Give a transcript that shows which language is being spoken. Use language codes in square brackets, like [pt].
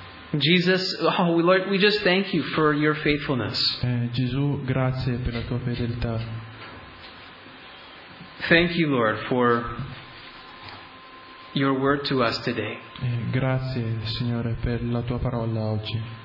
[en] Jesus, oh Lord, we just thank you for your faithfulness. [it] Gesù, grazie per la tua fedeltà. [en] Thank you, Lord, for your word to us today. [it] Grazie, Signore, per la tua parola oggi.